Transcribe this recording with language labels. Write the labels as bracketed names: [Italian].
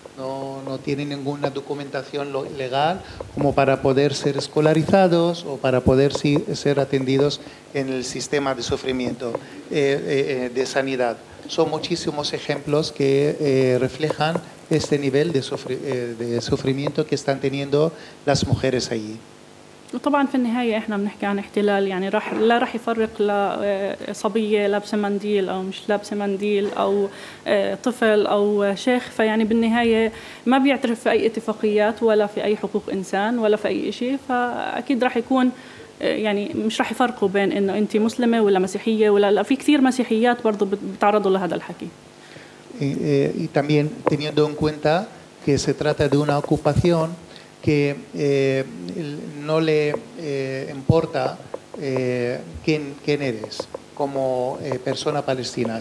[Spanish] No tienen ninguna documentación legal como para poder ser escolarizados o para poder ser atendidos en el sistema de sufrimiento de sanidad. Son muchísimos ejemplos que reflejan este nivel de sufrimiento que están teniendo las mujeres allí. [Arabic] وطبعا في النهاية احنا بنحكي عن احتلال يعني لا راح يفرق لصبية لابسة منديل او مش لابسة منديل او طفل او شيخ فيعني بالنهاية ما بيعترف في اي اتفاقيات ولا في اي حقوق انسان ولا في اي شيء فاكيد راح يكون يعني مش راح يفرقوا بين انه انت مسلمة ولا مسيحية ولا لا في كثير مسيحيات برضو بتعرضوا لهذا الحكي [Spanish] y también teniendo en cuenta que se trata de una ocupación que no le importa quién eres como persona palestina.